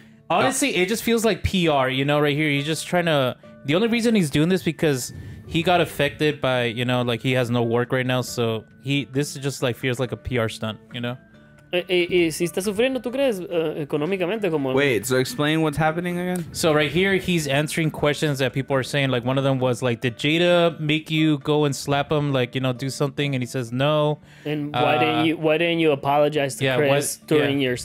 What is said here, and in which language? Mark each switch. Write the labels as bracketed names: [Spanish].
[English] Honestly, it just feels like PR, you know, right here. He's just trying to. The only reason he's doing this because. He got affected by, you know, like he has no work right now, so this is just like feels like a PR stunt, you know? [Spanish] ¿Y si está sufriendo, tú crees, económicamente como... [English] Wait, so explain what's happening again? So right here, he's answering questions that people are saying. Like one of them was like, did Jada make you go and slap him, like, you know, do something? And he says, no. And why didn't you apologize to Chris during